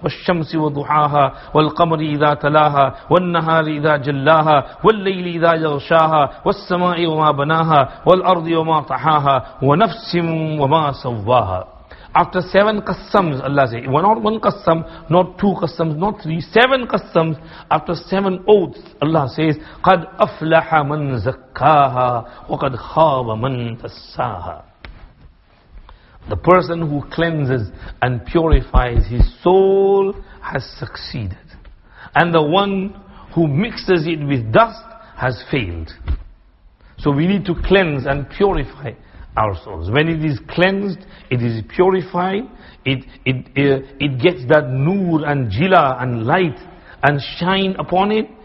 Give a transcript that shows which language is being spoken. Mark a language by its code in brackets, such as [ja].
[ar] وَالشَّمْسِ وَضُحَاهَا وَالْقَمَرِ إِذَا تَلَاهَا وَالنَّهَارِ إِذَا جَلَّاهَا وَالْلَّيْلِ إِذَا يَغْشَاهَا وَالسَّمَاءِ وَمَا بَنَاهَا وَالْأَرْضِ وَمَا طَحَاهَا وَنَفْسٍ وَمَا سَوَّاهَا. [en] After 7 qasams, Allah says, well, not 1 qasam, not 2 qasams, not 3, 7 qasams. After 7 oaths, Allah says, [ar] قَدْ أَفْلَحَ مَنْ زَكَّاهَا وَقَدْ خَابَ مَنْ دَسَّاهَا. [en] The person who cleanses and purifies his soul has succeeded. And the one who mixes it with dust has failed. So we need to cleanse and purify our souls. When it is cleansed, it is purified, it gets that nur and jila and light and shine upon it.